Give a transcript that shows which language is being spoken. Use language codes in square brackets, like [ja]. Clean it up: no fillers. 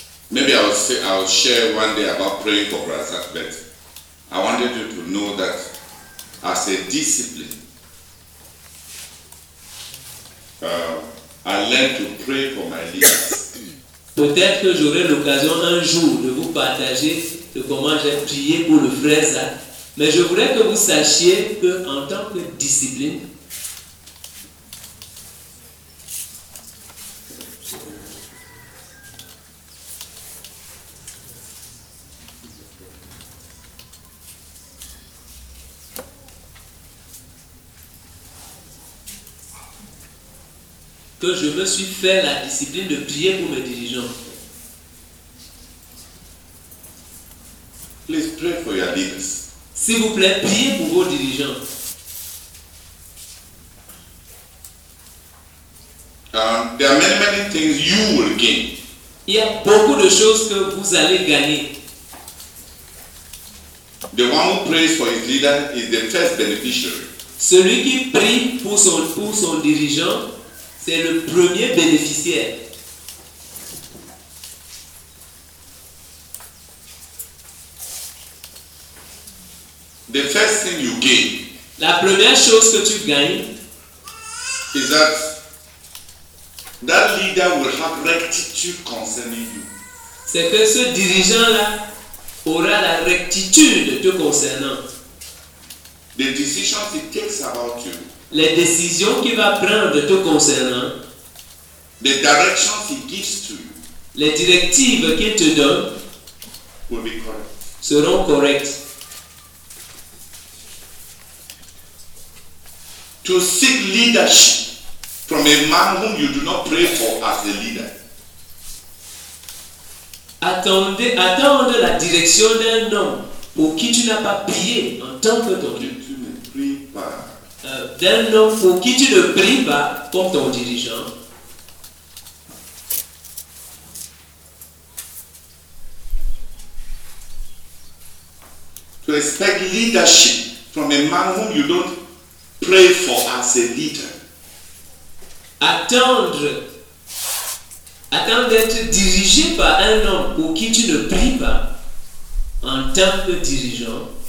[en] Maybe I'll share one day about praying for Brazak, but I wanted you to know that as a discipline, I learned to pray for my leaders. [fr] Peut-être que j'aurai l'occasion un jour de vous partager de comment j'ai prié pour le frère Zak, mais je voudrais que vous sachiez que en tant que discipline. Que je me suis fait la discipline de prier pour mes dirigeants. [en] Please pray for your leaders. [fr] S'il vous plaît, priez pour vos dirigeants. [en] There are many, many things you will gain. [fr] Il y a beaucoup de choses que vous allez gagner. [en] The one who prays for his leader is the first beneficiary. [fr] Celui qui prie pour son dirigeant. C'est le premier bénéficiaire. [en] The first thing you gain. [fr] La première chose que tu gagnes. [en] Is that That leader will have rectitude concerning you. [fr] C'est que ce dirigeant-là aura la rectitude te concernant. [en] The decisions he takes about you. [fr] Les décisions qu'il va prendre te concernant. [en] The directions he gives to you. [fr] Les directives qu'il te donne. [en] Will be correct. [fr] Seront correctes. [en] To seek leadership from a man whom you do not pray for as a leader. [fr] Attendre la direction d'un homme pour qui tu n'as pas prié en tant que ton dirigeant. Tu ne pries pas. D'un homme pour qui tu ne pries pas comme ton dirigeant. [en] To expect leadership from a man whom you don't pray for as a leader. [fr] Attendre d'être dirigé par un homme pour qui tu ne pries pas en tant que dirigeant,